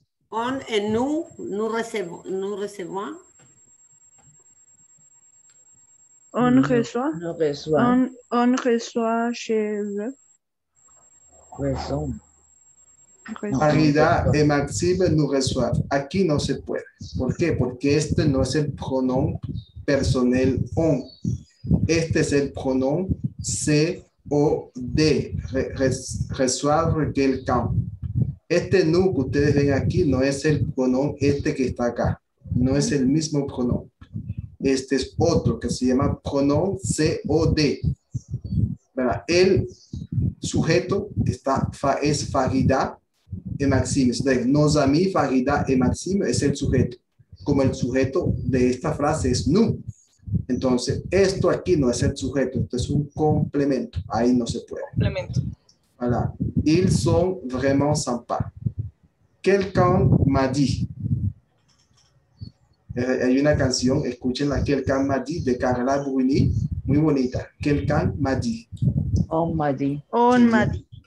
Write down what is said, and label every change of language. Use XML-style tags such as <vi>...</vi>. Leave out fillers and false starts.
<fr>On et nous recevons. On reçoit chez eux. Farida et Maxime nous reçoivent.</fr> <es>Aquí no se puede. ¿Por qué? Porque este no es el pronom personal on. Este es el pronom COD. Resuelve quelqu'un. Este nu que ustedes ven aquí no es el pronom este que está acá. No es el mismo pronom. Este es otro que se llama pronom COD. ¿Verdad? El sujeto está, es Farida y Maxime. Es decir, nos a mí, Farida y Maxime es el sujeto. Como el sujeto de esta frase es nu. Entonces, esto aquí no es el sujeto, esto es un complemento. Ahí no se puede. Complemento.</es> <fr>Voilà. Ils sont vraiment sympas. Quelqu'un m'a dit.</fr> <es>Hay una canción, escúchenla, Quelqu'un m'a dit, de Carla Bruni, muy bonita.</es> <fr>Quelqu'un m'a dit. On m'a dit. On m'a dit.</fr>